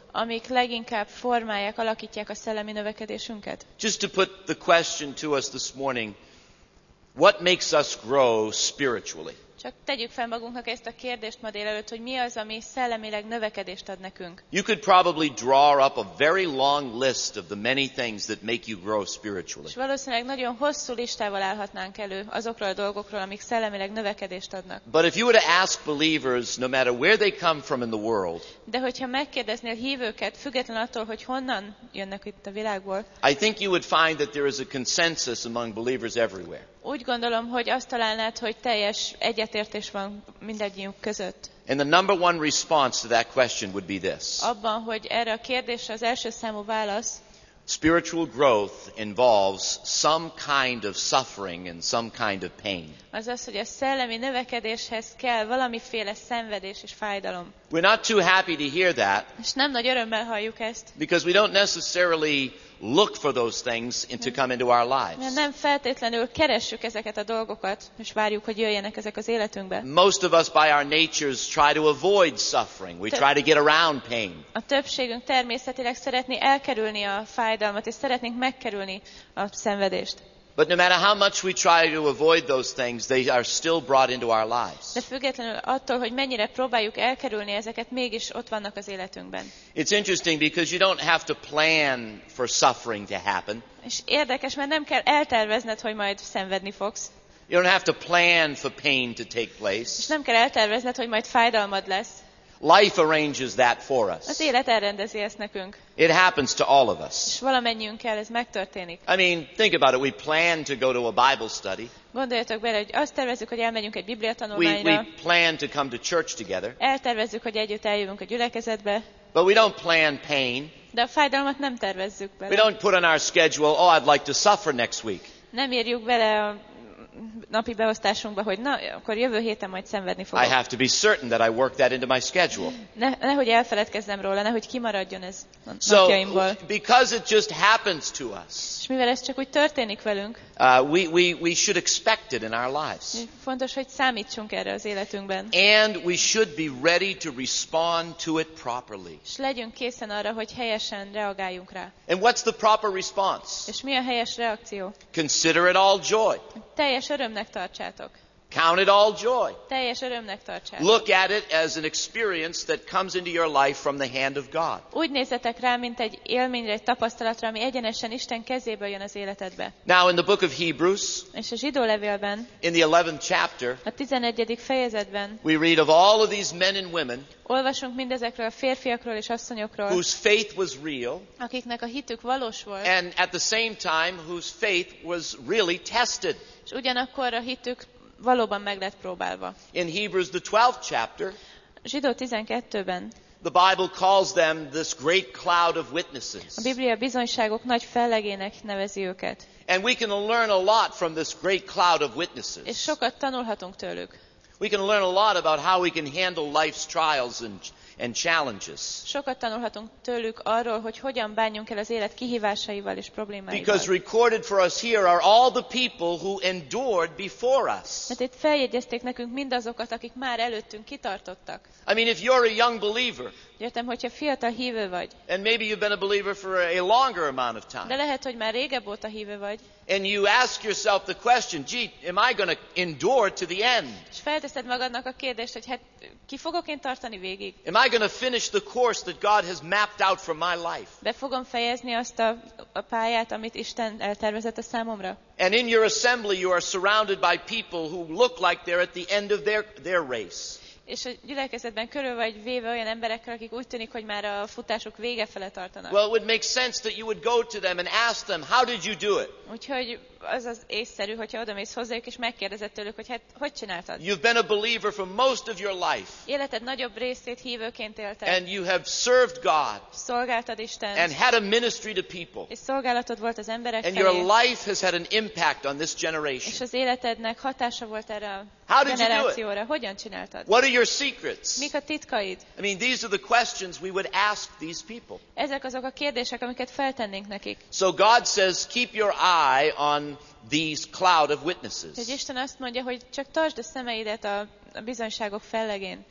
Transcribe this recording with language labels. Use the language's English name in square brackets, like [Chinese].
[Hungarian] Amik leginkább formálják, alakítják a szellemi növekedésünket. [English] Just to put the question to us this morning, what makes us grow spiritually? [Hungarian] Csak tegyük fel magunknak ezt a kérdést ma délelőtt, hogy mi az, ami szellemileg növekedést ad nekünk. [English] You could probably draw up a very long list of the many things that make you grow spiritually. [Hungarian] És valószínűleg nagyon hosszú listával állhatnánk elő azokról a dolgokról, amik szellemileg növekedést adnak. [English] But if you were to ask believers, no matter where they come from in the world, [Hungarian] de hogyha megkérdeznél hívőket, független attól, hogy honnan jönnek itt a világból, [English] I think you would find that there is a consensus among believers everywhere. [Hungarian] Úgy gondolom, hogy azt találnád, hogy teljes egyetértés van mindegyünk között. [English] And the number one response to that question would be this. [Hungarian] Abban, hogy erre a kérdésre az első számú válasz. [English] Spiritual growth involves some kind of suffering and some kind of pain. [Hungarian] Azaz, hogy a szellemi növekedéshez kell valamiféle szenvedés és fájdalom. [English] We're not too happy to hear that. [Hungarian] És nem nagy örömmel halljuk ezt. [English] Because we don't necessarily look for those things to come into our lives. [Hungarian] Nem feltétlenül keressük ezeket a dolgokat, és várjuk, hogy jöjjenek ezek az életünkbe. [English] Most of us by our natures try to avoid suffering. We try to get around pain. [Hungarian] A többségünk természetileg szeretné elkerülni a fájdalmat, és szeretnénk megkerülni a szenvedést. [English] But no matter how much we try to avoid those things, they are still brought into our lives. [Hungarian] De függetlenül attól, hogy mennyire próbáljuk elkerülni ezeket, mégis ott vannak az életünkben. [English] It's interesting because you don't have to plan for suffering to happen. [Hungarian] És érdekes, mert nem kell eltervezned, hogy majd szenvedni fogsz. [English] You don't have to plan for pain to take place. [Hungarian] És nem kell eltervezned, hogy majd fájdalmad lesz. [English] Life arranges that for us. [Hungarian] Az élet elrendezi ezt nekünk. [English] It happens to all of us. [Hungarian] És valamennyiünkkel ez megtörténik. [English] I mean, think about it. We plan to go to a Bible study. [Hungarian] Gondoljatok bele, hogy azt tervezzük, hogy elmegyünk egy Biblia tanulmányra. [English] We plan to come to church together. [Hungarian] Eltervezzük, hogy együtt eljövünk a gyülekezetbe. [English] But we don't plan pain. [Hungarian] De a fájdalmat nem tervezzük bele. [English] We don't put on our schedule, oh, I'd like to suffer next week. [Hungarian] Nem írjuk bele a napi beosztásunkba, hogy na, akkor jövő héten majd szenvedni fogok. [English] I have to be certain that I work that into my schedule. [Hungarian] Nehogy elfeledkezzem róla, nehogy kimaradjon ez napjaimból. [English] So, because it just happens to us. [Hungarian] És mivel ez csak úgy történik velünk. [English] We should expect it in our lives. [Hungarian] Fontos, hogy számítsunk erre az életünkben. [English] And we should be ready to respond to it properly. [Hungarian] És legyünk készen arra, hogy helyesen reagáljunk rá. [English] And what's the proper response? [Hungarian] És mi a helyes reakció? [English] Consider it all joy. [Hungarian] Teljes örömnek tartsátok. [English] Count it all joy. [Hungarian] Teljes örömnek tartsátok. [English] Look at it as an experience that comes into your life from the hand of God. [Hungarian] Úgy nézzetek rá, mint egy élményre, egy tapasztalatra, ami egyenesen Isten kezéből jön az életedbe. [English] Now in the book of Hebrews, [Hungarian] és a zsidó levélben, [English] in the 11th chapter, [Hungarian] a 11. fejezetben, [English] we read of all of these men and women, [Hungarian] olvasunk mindezekről a férfiakról és asszonyokról, [English] whose faith was real, [Hungarian] akiknek a hitük valós volt, [English] and at the same time whose faith was really tested. [Hungarian] És ugyanakkor a hitük valóban meg lett próbálva. [English] In Hebrews the 12th chapter, [Hungarian] Zsidó 12-ben, [English] the Bible calls them this great cloud of witnesses. [Hungarian] A Biblia bizonyságok nagy fellegének nevezi őket. [English] And we can learn a lot from this great cloud of witnesses. [Hungarian] És sokat tanulhatunk tőlük. [English] We can learn a lot about how we can handle life's trials and challenges. [Hungarian] Sokat tanulhatunk tőlük arról, hogy hogyan bánjunk el az élet kihívásaival és problémáival. [English] Because recorded for us here are all the people who endured before us. [Hungarian] Mert itt feljegyezték nekünk mindazokat, akik már előttünk kitartottak. [English] I mean, if you're a young believer, [Hungarian] értem, hogyha fiatal hívő vagy, [English] and maybe you've been a believer for a longer amount of time, [Hungarian] de lehet, hogy már régebb óta hívő vagy, [English] and you ask yourself the question, gee, am I going to endure to the end? [Hungarian] És felteszed magadnak a kérdést, hogy hát ki fogok én tartani végig? [English] Am I going to finish the course that God has mapped out for my life? [Hungarian] Be fogom fejezni azt a pályát, amit Isten eltervezett a számomra. [English] And in your assembly you are surrounded by people who look like they're at the end of their race. [Hungarian] És a gyülekezetben körül vagy véve olyan emberekkel, akik úgy tűnik, hogy már a futásuk vége fele tartanak. [English] Well, it would make sense that you would go to them and ask them, how did you do it? [Hungarian] Úgyhogy az az észszerű, hogyha odamész hozzájuk, és megkérdezed tőlük, hogy hát, hogy csináltad? [English] You've been a believer for most of your life. [Hungarian] Életed nagyobb részét hívőként élted. [English] And you have served God. [Hungarian] Szolgáltad Istent. [English] And had a ministry to people. [Hungarian] És szolgálatod volt az emberek felé. [English] And your life has had an impact on this generation. [Hungarian] És az életednek hatása volt erre a [English] how [Hungarian] generációra. [English] Did you do it? [Hungarian] Hogyan [English] what are your secrets? [Hungarian] Mik a titkaid? [English] I mean, these are the questions we would ask these people. [Hungarian] Ezek azok a kérdések, amiket feltennénk nekik. [English] So God says, keep your eye on these cloud of witnesses. [Hungarian] És Isten azt mondja, hogy csak tartsd a szemeidet a bizonyságok fellegén.